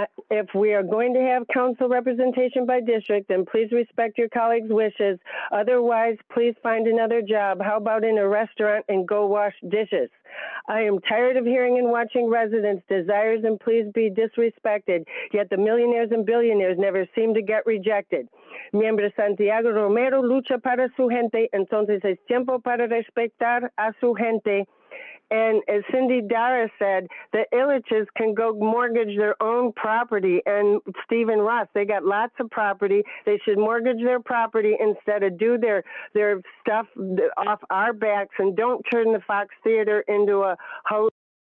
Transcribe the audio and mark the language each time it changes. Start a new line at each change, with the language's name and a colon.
English: If we are going to have council representation by district, then please respect your colleagues' wishes. Otherwise, please find another job. How about in a restaurant and go wash dishes? I am tired of hearing and watching residents' desires and pleas be disrespected, yet the millionaires and billionaires never seem to get rejected.
Spanish: Miembro Santiago Romero lucha para su gente, entonces es tiempo para respetar a su gente.
English: And as Cindy Dara said, the Illiches can go mortgage their own property. And Stephen Ross, they got lots of property. They should mortgage their property instead of do their stuff off our backs. And don't turn the Fox Theater into a host.